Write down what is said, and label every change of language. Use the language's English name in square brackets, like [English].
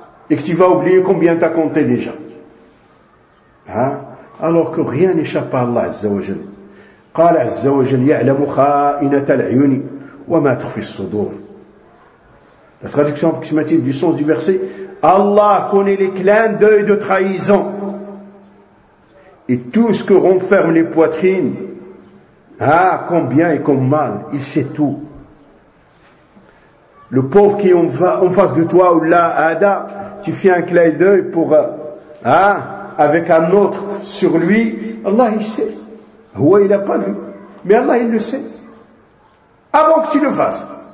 [French] Et que tu vas oublier combien tu as compté déjà. Alors que rien n'échappe à Allah Azza wa Jal. [Arabic] قال عز وجل يعلم خائنة العيون وما تخفي الصدور. [French] La traduction approximative du sens du verset, Allah connaît les clins d'œil de trahison et tout ce que renferment les poitrines. Combien et comme mal, il sait tout. Le pauvre qui est en face de toi, ou là, Ada, tu fais un clin d'œil pour, avec un autre sur lui, Allah il sait. Ouais, il n'a pas vu. Mais Allah, il le sait. Avant que tu le fasses.